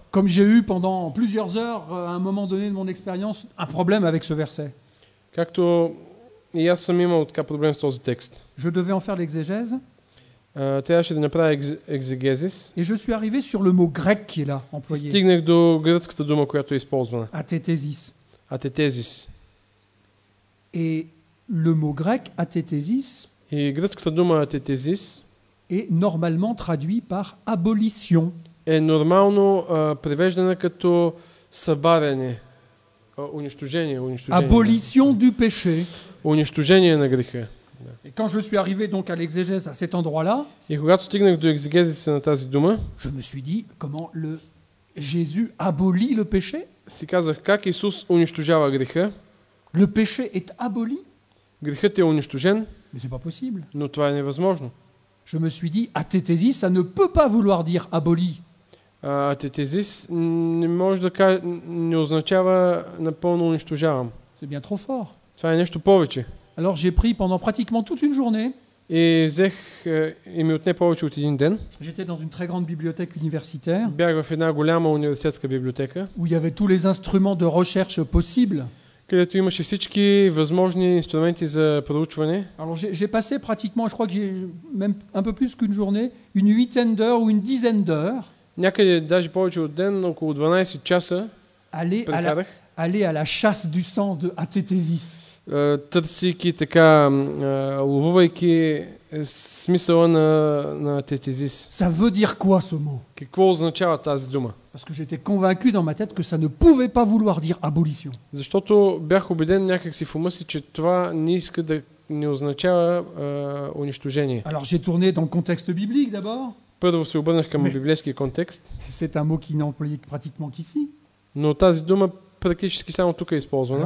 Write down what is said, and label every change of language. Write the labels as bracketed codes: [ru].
[fr] Comme j'ai eu pendant plusieurs heures, à un moment donné de mon expérience, un problème avec ce verset. [bg] Както и аз съм имал така проблем с този текст. [fr] Je devais en faire l'exégèse. [bg] Трябваше да направя екзегезис. [fr] Et je suis arrivé sur le mot grec qui est là, employé. [bg] Стигнах до гръцката дума, която е използвана. [fr] Athétésis. [bg] Athétésis. [fr] Et le mot grec athétésis. [bg] Et гръцката дума athétésis. [fr] Est normalement traduit par abolition. [bg] Е нормално превеждана като събаряне, унищожение, унищожение. [fr] Abolition du péché. [bg] Унищожение на греха. [fr] Et quand je suis arrivé donc à l'exégèse à cet endroit-là, [bg] et когато стигнах до екзегезиса на тази дума, [fr] je me suis dit comment le Jésus abolit le péché? [bg] Си казах как Исус унищожава греха? [fr] Le péché est aboli? [bg] Грехът е унищожен? [fr] Mais c'est pas possible. [bg] Но това е невъзможно. [fr] Je me suis dit athétésis ça ne peut pas vouloir dire aboli. [bg] Athétésis не може да каже, не означава напълно унищожавам. [fr] C'est bien trop fort. [bg] Това е нещо повече. [fr] Alors j'ai pris pendant pratiquement toute une journée. [bg] Et взех, ми отне повече от един ден. [fr] J'étais dans une très grande bibliothèque universitaire. [bg] Бях в една голяма университетска библиотека. [fr] Où il y avait tous les instruments de recherche possibles. [bg] Където имаше всички възможни инструменти за проучване. [fr] Alors j'ai passé pratiquement, je crois que j'ai même un peu plus qu'une journée, une huitaine d'heures ou une dizaine d'heures. [bg] Някъде даже повече от ден, около 12 часа. [fr] Aller à la chasse du sens de athétésis. [bg] Търсики така, ловувайки смисъла на тетезис. [fr] Ça veut dire quoi ce mot? [bg] Какво означава тази дума? [fr] Parce que j'étais convaincu dans ma tête que ça ne pouvait pas vouloir dire abolition. [bg] Защото бях убеден някакси в ума си, че това не иска да не означава унищожение. [fr] Alors j'ai tourné dans le contexte biblique d'abord. [bg] Първо се обърнах към библейския контекст. [fr] C'est un mot qui n'est employé pratiquement qu'ici. [bg] Но тази дума практически само тук е използвана.